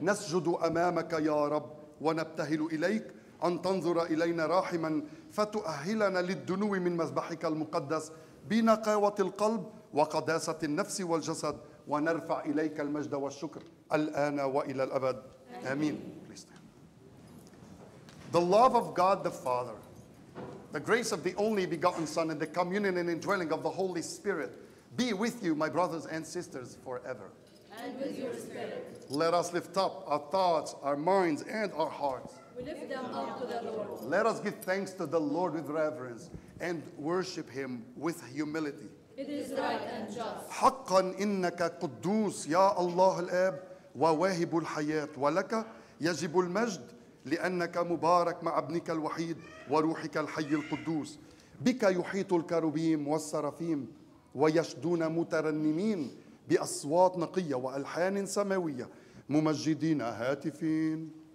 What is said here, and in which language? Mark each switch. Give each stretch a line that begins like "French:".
Arabic: نسجد أمامك يا رب ونبتهل إليك أن تنظر إلينا راحما فتؤهلنا للدنو من مذبحك المقدس بنقاوة القلب وقداسة النفس والجسد ونرفع إليك المجد والشكر الآن وإلى الأبد آمين.
English: The love of God the Father, the grace of the only begotten Son, and the communion and indwelling of the Holy Spirit be with you, my brothers and sisters, forever. And with your spirit. Let us lift up our thoughts, our minds, and our hearts. We lift them up to the Lord. Let us give thanks to the Lord with reverence and worship Him with humility. It is right and just.
Arabic: حقاً إنك قدوس يا الله الآب وواهب الحياة ولك يجب المجد لأنك مبارك مع ابنك الوحيد وروحك الحي القدوس بك يحيط الكروبيم والسرافيم ويشدون مترنمين بأصوات نقية وألحان سماوية ممجدين هاتفين